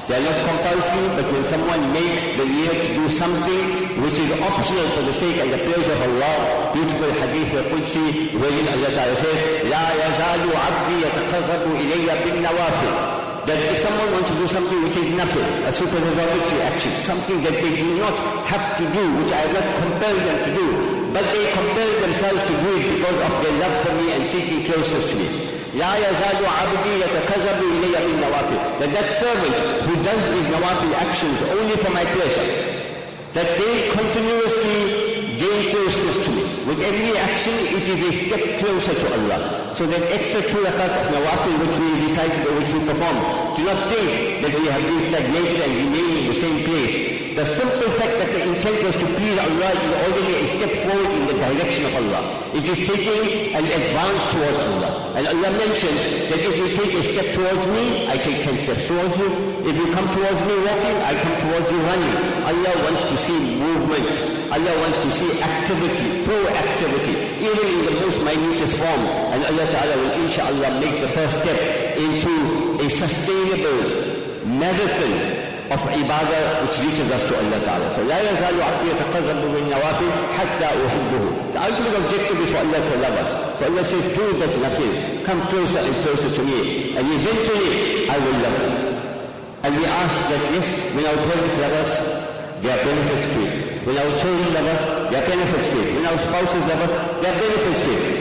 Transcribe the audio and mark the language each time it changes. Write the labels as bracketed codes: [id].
[en] They are not compulsory, but when someone makes the need to do something which is optional for the sake and the pleasure of Allah, beautiful hadith of Qudsi, wherein Allah Ta'ala says, [ar] لا يزال عبدي يتقرب إلي بالنوافل. [en] That if someone wants to do something which is nothing, a supernatural action, something that they do not have to do, which I have not compelled them to do, but they compel themselves to do it because of their love for me and seeking closeness to me. [ar] لا يزال عبدي يتكذب إلي من نوافل. [en] That servant who does these nawafil actions only for my pleasure, that they continuously gain closeness to me. With every action, it is a step closer to Allah. So that extra two rakat of nawafil which we recited or which we perform, do not think that we have been stagnated and remain in the same place. The simple fact that the intent was to please Allah is already a step forward in the direction of Allah. It is taking an advance towards Allah. And Allah mentions that if you take a step towards me, I take 10 steps towards you. If you come towards me walking, I come towards you running. Allah wants to see movement. Allah wants to see activity, proactivity, even in the most minutest form. And Allah Ta'ala will inshallah make the first step into a sustainable marathon of ibadah which reaches us to Allah Ta'ala. So, [ar] لا يزال عبدي يتقرب من نوافل حتى أحبه. [en] The ultimate objective is for Allah to love us. So Allah says, do that nothing. Come closer and closer to me. And eventually, I will love you. And we ask that, yes, when our parents love us, there are benefits to it. When our children love us, there are benefits to it. When our spouses love us, there are benefits to it.